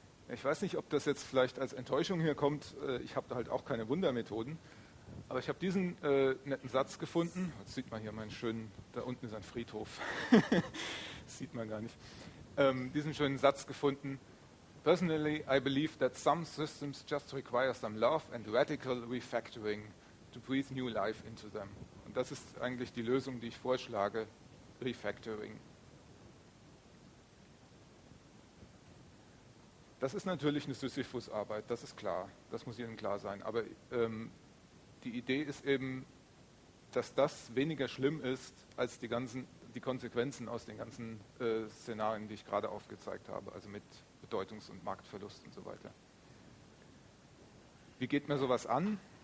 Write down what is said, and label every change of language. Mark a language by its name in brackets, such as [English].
[German] Ich weiß nicht, ob das jetzt vielleicht als Enttäuschung hier kommt. Ich habe da halt auch keine Wundermethoden. Aber ich habe diesen netten Satz gefunden. Jetzt sieht man hier meinen schönen, da unten ist ein Friedhof. Das sieht man gar nicht. Diesen schönen Satz gefunden. [English] Personally, I believe that some systems just require some love and radical refactoring to breathe new life into them. [German] Das ist eigentlich die Lösung, die ich vorschlage, Refactoring. Das ist natürlich eine Sisyphus-Arbeit, das ist klar, das muss Ihnen klar sein. Aber die Idee ist eben, dass das weniger schlimm ist, als die Konsequenzen aus den ganzen Szenarien, die ich gerade aufgezeigt habe, also mit Bedeutungs- und Marktverlust und so weiter. Wie geht man sowas an?